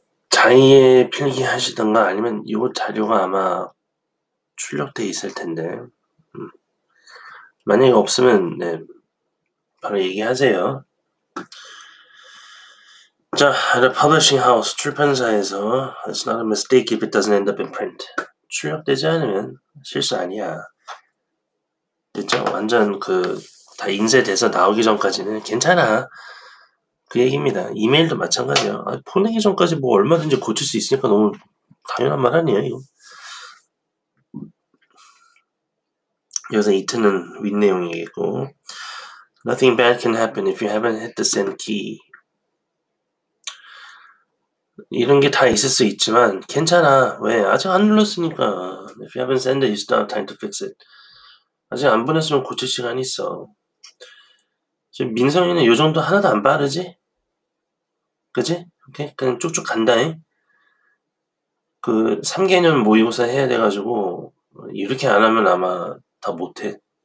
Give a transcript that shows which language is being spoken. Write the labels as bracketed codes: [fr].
[ko] 자의에 필기하시던가 아니면 이 자료가 아마 출력돼 있을 텐데 만약에 없으면 네 바로 얘기하세요. [en] 자, at a publishing house [ko] 출판사에서 [en] It's not a mistake if it doesn't end up in print. [ko] 출력되지 않으면 실수 아니야. 됐죠? 완전 그다 인쇄돼서 나오기 전까지는 괜찮아. 그 얘기입니다. 이메일도 마찬가지예요. 아, 보내기 전까지 뭐 얼마든지 고칠 수 있으니까 너무 당연한 말 아니에요, 이거. 여기서 이트는 윗내용이겠고. [en] Nothing bad can happen if you haven't hit the send key. [ko] 이런 게다 있을 수 있지만, 괜찮아. 왜? 아직 안 눌렀으니까. [en] If you haven't sent it, you still have time to fix it. [ko] 아직 안 보냈으면 고칠 시간이 있어. 지금 민성이는 요 정도 하나도 안 빠르지? 그지? 오케이? 그냥 쭉쭉 간다잉. 그, 3개년 모의고사 해야 돼가지고, 이렇게 안 하면 아마 다 못해.